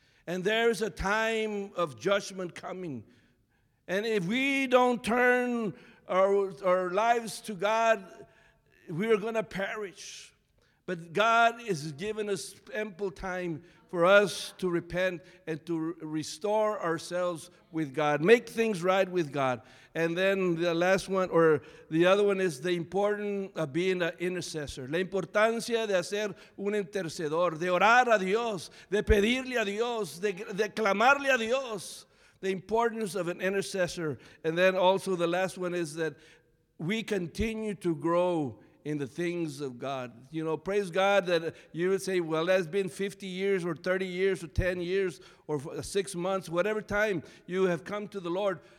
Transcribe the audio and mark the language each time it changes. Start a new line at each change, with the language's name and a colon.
English: And there is a time of judgment coming. And if we don't turn our lives to God, we are going to perish. But God has given us ample time for us to repent and to restore ourselves with God, make things right with God. And then the last one, or the other one, is the importance of being an intercessor.
Spanish: La importancia de hacer un intercedor, de orar a Dios, de pedirle a Dios, de clamarle a Dios.
English: The importance of an intercessor. And then also the last one is that we continue to grow in the things of God. You know, praise God that you would say, well, that's been 50 years or 30 years or 10 years or 6 months, whatever time you have come to the Lord.